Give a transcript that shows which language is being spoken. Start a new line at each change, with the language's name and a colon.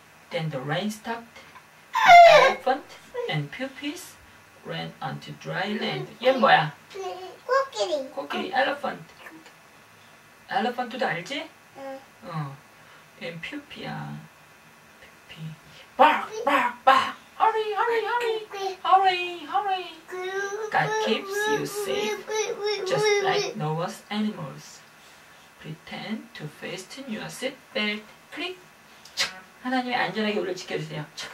English: Then the rain stopped. Elephant and pupis ran onto dry land.
Korean: 얘는 뭐야? 코끼리. 코끼리,
English: elephant.
Korean: Elephant도 알지? 응. 얘는 pupi야. Pupi.
English: Bark, bark, bark. Hurry, hurry, hurry. Hurry, hurry. God keeps you safe, just like Noah's animals. Pretend to fasten your seat belt. Click.
Korean: 하나님이 안전하게 우리를 지켜주세요.